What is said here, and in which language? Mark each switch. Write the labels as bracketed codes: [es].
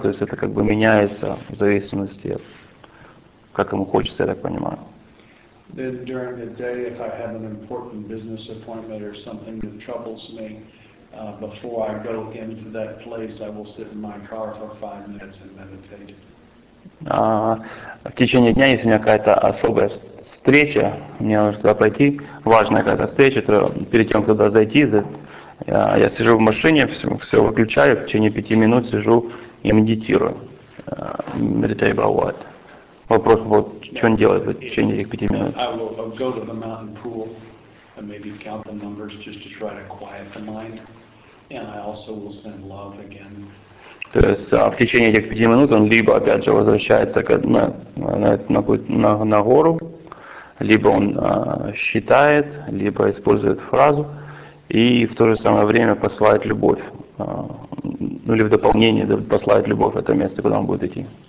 [ru] То есть это как бы меняется в зависимости от, как ему хочется, я так понимаю. [en] Then during the day, if I have an important business appointment or something that troubles me. Before I go into that place, I will sit in my car for 5 minutes and meditate. [ru] В течение дня, если у меня какая-то особая встреча, мне нужно туда пойти, важная какая-то встреча, то перед тем, как туда зайти, я сижу в машине, все выключаю, в течение 5 минут сижу и медитирую. [en] Meditate about what? [ru] Вопрос, вот, что он делает в течение этих 5 минут? [en] I will go to the mountain pool. And maybe count the numbers just to try to quiet the mind. And I also will send love again. [ru] То есть в течение этих 5 минут он либо опять же возвращается на гору, либо он считает, либо использует фразу, и в то же самое время посылает любовь. Ну или в дополнение посылает любовь в это место, куда он будет идти.